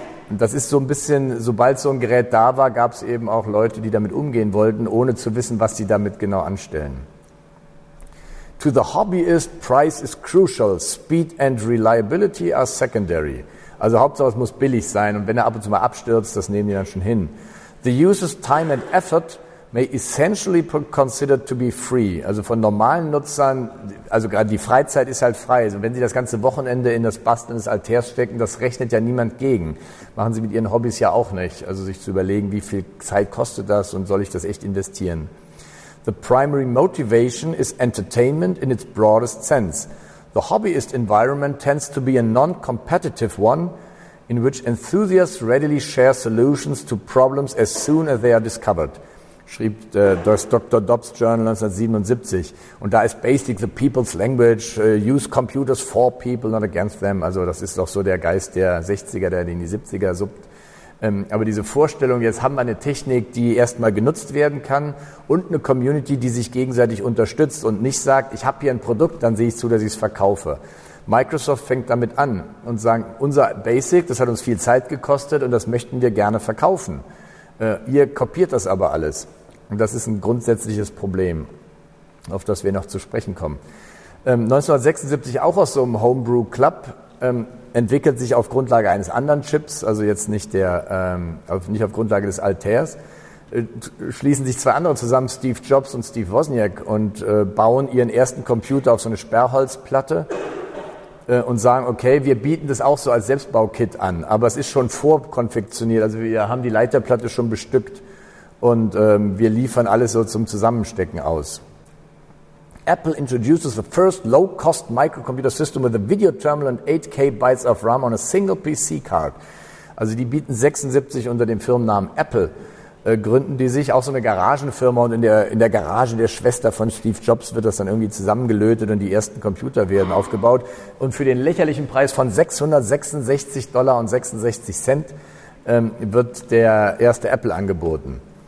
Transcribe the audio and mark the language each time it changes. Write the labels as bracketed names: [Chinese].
[German] Und das ist so ein bisschen, sobald so ein Gerät da war, gab es eben auch Leute, die damit umgehen wollten, ohne zu wissen, was sie damit genau anstellen. [English] To the hobbyist, price is crucial. Speed and reliability are secondary. [German] Also Hauptsache, es muss billig sein. Und wenn er ab und zu mal abstürzt, das nehmen die dann schon hin. [English] The user's time and effort may essentially be considered to be free. [German] Also von normalen Nutzern, also gerade die Freizeit ist halt frei. Also wenn Sie das ganze Wochenende in das Basteln des Altairs stecken, das rechnet ja niemand gegen. Machen Sie mit Ihren Hobbys ja auch nicht. Also sich zu überlegen, wie viel Zeit kostet das und soll ich das echt investieren? [English] The primary motivation is entertainment in its broadest sense. The hobbyist environment tends to be a non-competitive one in which enthusiasts readily share solutions to problems as soon as they are discovered. [German] Schrieb das Dr. Dobbs Journal 1977. [English] Und da ist basic the people's language, use computers for people, not against them. [German] Also das ist doch so der Geist der 60er, der in die 70er subt. Aber diese Vorstellung, jetzt haben wir eine Technik, die erstmal genutzt werden kann und eine Community, die sich gegenseitig unterstützt und nicht sagt, ich habe hier ein Produkt, dann sehe ich zu, dass ich es verkaufe. Microsoft fängt damit an und sagt, unser Basic, das hat uns viel Zeit gekostet und das möchten wir gerne verkaufen. Ihr kopiert das aber alles. Und das ist ein grundsätzliches Problem, auf das wir noch zu sprechen kommen. 1976 auch aus so einem Homebrew Club entwickelt sich auf Grundlage eines anderen Chips, also jetzt nicht der, nicht auf Grundlage des Altairs, schließen sich zwei andere zusammen, Steve Jobs und Steve Wozniak, und bauen ihren ersten Computer auf so eine Sperrholzplatte und sagen, okay, wir bieten das auch so als Selbstbaukit an, aber es ist schon vorkonfektioniert, also wir haben die Leiterplatte schon bestückt und wir liefern alles so zum Zusammenstecken aus. Apple introduces the first low-cost microcomputer system with a video terminal and 8K bytes of RAM on a single PC card. Also die bieten 76 unter dem Firmennamen Apple, gründen die sich, auch so eine Garagenfirma, und in der Garage der Schwester von Steve Jobs wird das dann irgendwie zusammengelötet und die ersten Computer werden aufgebaut. Und für den lächerlichen Preis von $666.66 wird der erste Apple angeboten.